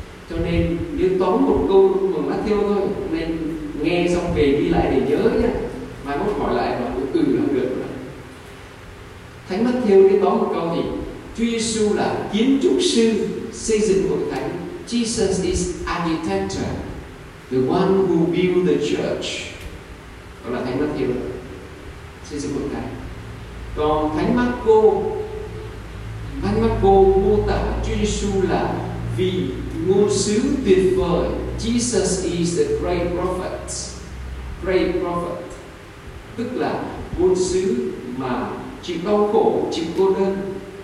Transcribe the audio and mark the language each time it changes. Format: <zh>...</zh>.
<vi>Cho nên nếu tóm một câu của Matthew thôi, nên nghe xong về ghi lại để nhớ nhé, mai mốt hỏi lại và cứ là được rồi. Thánh Matthew cái tóm một câu thì Chúa Giêsu là kiến trúc sư xây dựng hội thánh.</vi> <en>Jesus is architect, the one who built the church.</en> <vi>Đó là Thánh Matthew xây dựng hội thánh. Còn Thánh Marco mô tả Chúa Giêsu là vị ngôn sứ tuyệt vời.</vi> <en>Jesus is the great prophet,</en> <vi>tức là ngôn sứ mà chịu đau khổ, chịu cô đơn.</vi>